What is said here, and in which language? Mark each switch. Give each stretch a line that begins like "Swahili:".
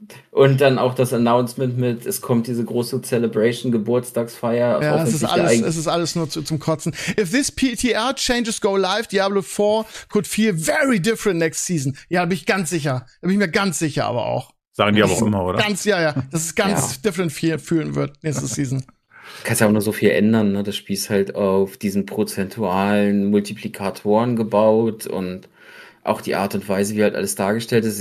German: Und dann auch das Announcement mit, es kommt diese große Celebration, Geburtstagsfeier. Ja, es ist alles nur zum Kotzen.
English: If this PTR changes go live, Diablo 4 could feel very different next season.
German: Ja, bin ich ganz sicher. Da bin ich mir ganz sicher, aber auch. Sagen die aber auch immer, oder? Ja. Das ist ganz different fühlen wird nächste Season. Kannst ja auch nur so viel ändern, ne? Das Spiel ist halt auf diesen prozentualen Multiplikatoren gebaut und auch die Art und Weise, wie halt alles dargestellt ist.